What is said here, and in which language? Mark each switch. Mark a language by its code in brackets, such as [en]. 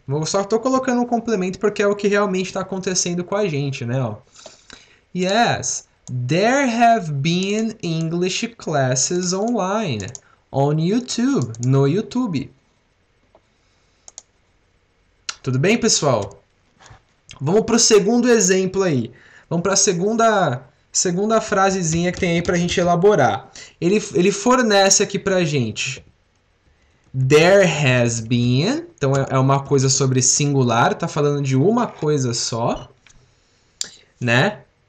[pt] Eu só estou colocando um complemento porque é o que realmente está acontecendo com a gente, né? [en] Yes. There have been English classes online on YouTube, [pt] no YouTube. Tudo bem, pessoal? Vamos para o segundo exemplo aí. Vamos para a segunda frasezinha que tem aí para a gente elaborar. Ele fornece aqui para a gente. [en] There has been. [pt] Então é uma coisa sobre singular. Tá falando de uma coisa só, né?